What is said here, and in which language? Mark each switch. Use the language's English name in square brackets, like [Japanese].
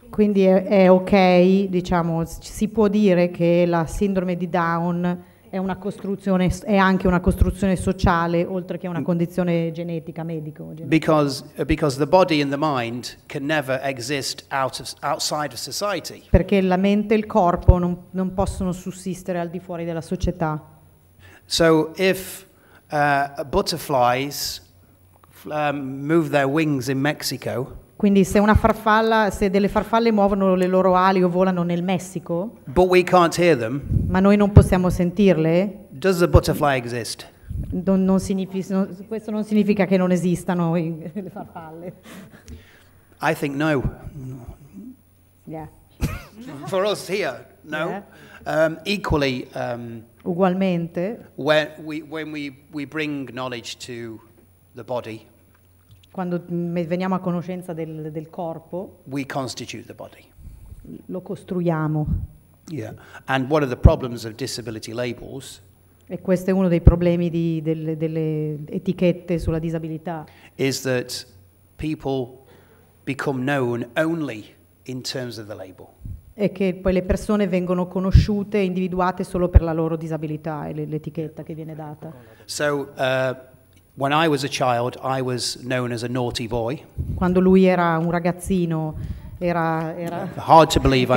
[Italian] Quindi è okay, diciamo, si può dire che la sindrome di Down è una costruzione, è anche una costruzione sociale, oltre che una condizione genetica, medico. [English] Because the body and the mind can never exist outside of society. [Italian] Perché la mente e il corpo non possono sussistere al di fuori della società. [English] So if butterflies move their wings in Mexico. [Italian] Quindi se una farfalla, se delle farfalle muovono le loro ali o volano nel Messico, [English] but we can't hear them, [Italian] ma noi non possiamo sentirle, [English] does the butterfly exist? [Italian] Questo non significa che non esistano le farfalle. [English] I think no. Yeah. For us here, no. Yeah. Equally. [Italian] Ugualmente. [English] When we bring knowledge to the body. [Italian] Quando veniamo a conoscenza del corpo. [English] We constitute the body. [Italian] Lo costruiamo. [English] Yeah, and one of the problems of disability labels. [Italian] E questo è uno dei problemi delle etichette sulla disabilità. [English] Is that people become known only in terms of the label. [Italian] E che poi le persone vengono conosciute e individuate solo per la loro disabilità e l'etichetta che viene data. [English] So when I was a child I was known as a naughty boy. [Italian] Quando lui era un ragazzino era [English] hard to believe,